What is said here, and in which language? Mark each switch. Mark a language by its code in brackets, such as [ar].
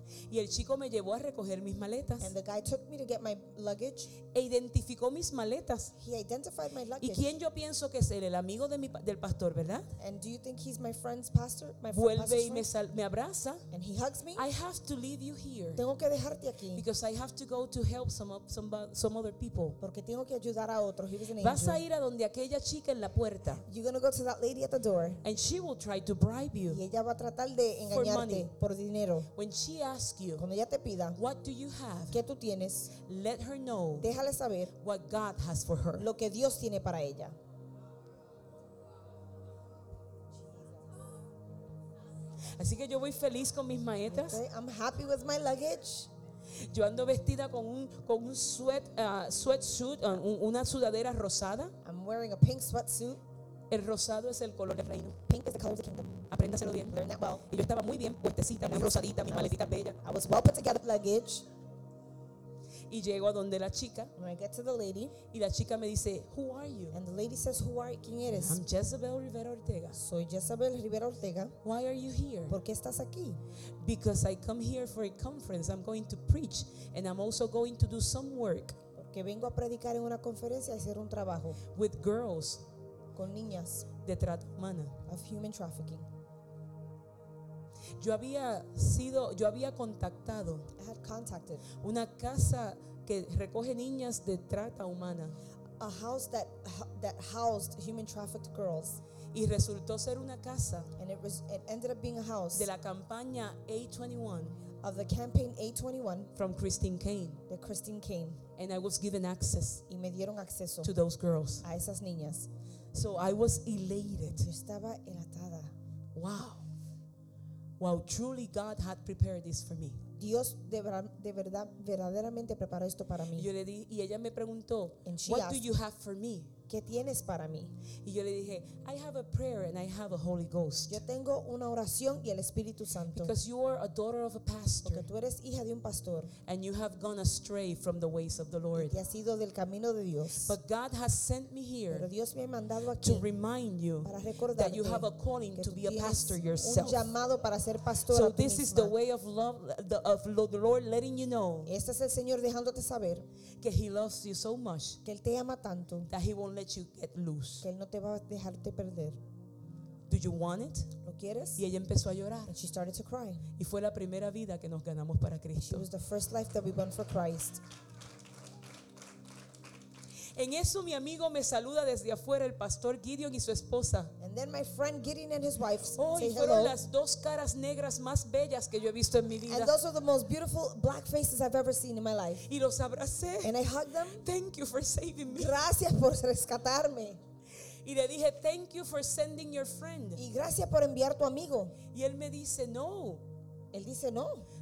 [es] Y el chico me llevó a recoger mis maletas. [en] And the guy took me to get my luggage. [es] E identificó mis maletas. [en] He identified my luggage. [es] ¿Y quién yo pienso que es él? El amigo de del pastor, ¿verdad? [en] And do you think he's my friend's pastor? My [es] vuelve [en] friend's [es] y me, me abraza. [en] And he hugs me. I have to leave you here. [es] Tengo que dejarte aquí. [en] Because I have to go to help some other people. [es] Porque tengo que ayudar a otros. [en] He was an angel. [es] Vas a ir a donde aquella chica en la puerta. [en] You're going to go to that lady at the door. And she will try to bribe you. [es] Y ella va a tratar de engañarte [en] for money. [es] Por dinero. [en] When she asks [es] cuando ella te pida, [en] what do you have? [es] ¿Qué tú tienes? [en] Let her know. [es] Déjale saber [en] what God has for her. [es] Lo que Dios tiene para ella. Así que yo voy feliz con mis maletas. [en] Okay, I'm happy with my luggage. [es] Yo ando vestida con un sweatsuit, una sudadera rosada. [en] I'm wearing a pink sweatsuit. [es] El rosado es el color del reino. [en] Pink is the color of the kingdom. [es] Apréndaselo bien. [en] Learn that well. [es] Y yo estaba muy bien puestecita, muy rosadita, mi maletita bella. [en] I was well put together luggage. [es] Y llego a donde la chica. [en] When I get to the lady. [es] Y la chica me dice, [en] who are you? And the lady says, who are you? [es] ¿Quién eres? [en] I'm Jezebel Rivera Ortega. [es] Soy Jezebel Rivera Ortega. [en] Why are you here? [es] ¿Por qué estás aquí? [en] Because I come here for a conference. I'm going to preach. And I'm also going to do some work. [es] Porque vengo a predicar en una conferencia y hacer un trabajo. [en] With girls. [es] Con niñas de trata humana. [en] Of human trafficking. [es] Yo había contactado. [en] I had contacted. [es] Una casa que recoge niñas de trata humana. [en] A house that housed human trafficked girls. [es] Y resultó ser una casa. [en] And it ended up being a house. [es] De la campaña A21. [en] Of the campaign A21. From Christine Kane. The Christine Kane. And I was given access. [es] Y me dieron acceso. [en] To those girls. [es] A esas niñas. [en] So I was elated. [es] Yo estaba elatada. [en] Wow. Wow, truly God had prepared this for me. [es] Dios de verdad verdaderamente preparó esto para mí. Yo le di y ella me preguntó, [en] and she what asked, do you have for me? [es] ¿Qué tienes para mí? Y yo le dije, [en] I have a prayer and I have a Holy Ghost. [es] Yo tengo una oración y el Espíritu Santo. [en] Because you are a daughter of a pastor. [es] Porque tú eres hija de un pastor. [en] And you have gone astray from the ways of the Lord. [es] Y has ido del camino de Dios. [en] But God has sent me here. [es] Pero Dios me ha mandado aquí. [en] To remind you. [es] Para recordarte [en] that you have a calling to be a pastor yourself. [es] Un llamado para ser pastor. [en] So this is the way of love, of the Lord letting you know. [es] Este es el Señor dejándote saber. [en] Que he loves you so much. [es] Que él te ama tanto. [en] That he won't let you get loose. [es] Que él no te va a dejarte perder. [en] Do you want it? [es] ¿Lo quieres? Y ella empezó a llorar. [en] And she started to cry. [es] Y fue la primera vida que nos ganamos para Cristo. [en] It was the first life that we won for Christ. [es] En eso mi amigo me saluda desde afuera, el pastor Gideon y su esposa. [en] And then my friend Gideon and his wife oh, say hello. [es] Y fueron las dos caras negras más bellas que yo he visto en mi vida. [en] And those are the most beautiful black faces I've ever seen in my life. [es] Y los abracé. [en] And I hugged them. Thank you for saving me. [es] Gracias por rescatarme. Y le dije, [en] thank you for sending your friend. [es] Y gracias por enviar tu amigo. Y él me dice, no. Él dice no.